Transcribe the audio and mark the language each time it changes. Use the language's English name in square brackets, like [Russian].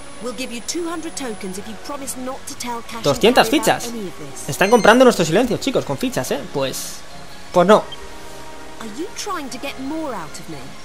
[English] We'll give you 200 tokens if you promise not to tell Cash. [Spanish] 200 fichas. Están comprando nuestro silencio, chicos, con fichas, ¿eh? Pues no. [English] Are you trying to get more out of me?